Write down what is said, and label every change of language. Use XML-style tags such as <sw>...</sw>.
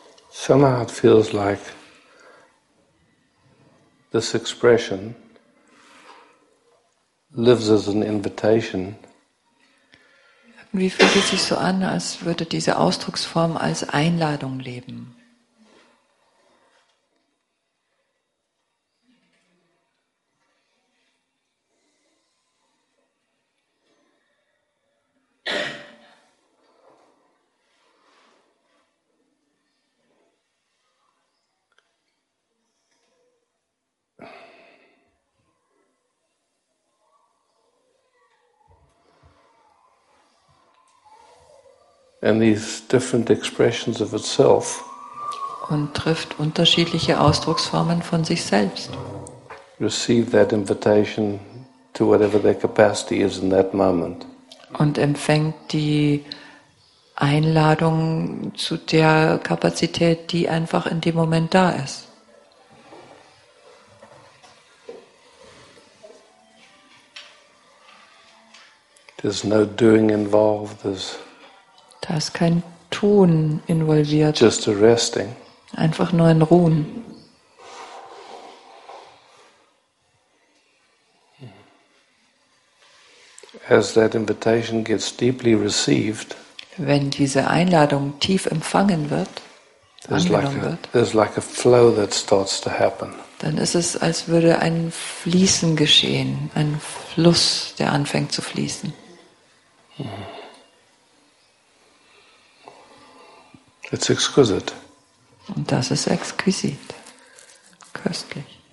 <en>Somehow it feels like this expression lives as an invitation.</en> <de>Wie fühlt es sich so an, als würde diese Ausdrucksform als Einladung leben?</de> <en>And these different expressions of itself.</en> <de>Und trifft unterschiedliche Ausdrucksformen von sich selbst.</de> <en>Receive that invitation to whatever their capacity is in that moment.</en> <de>Und empfängt die Einladung zu der Kapazität, die einfach in dem Moment da ist.</de> <en>There's no doing involved.</en> <de>Da ist kein Tun involviert.</de> <en>Just a resting.</en> <de>Einfach nur ein Ruhen.</de> <en>As that invitation gets deeply received,</en> <de>wenn diese Einladung tief empfangen wird,</de> <en>there's like a flow that starts to happen.</en> <de>Dann ist es, als würde ein Fließen geschehen, ein Fluss, der anfängt zu fließen.</de> <en>It's exquisite.</en> <de>Und das ist exquisit. Köstlich.</de>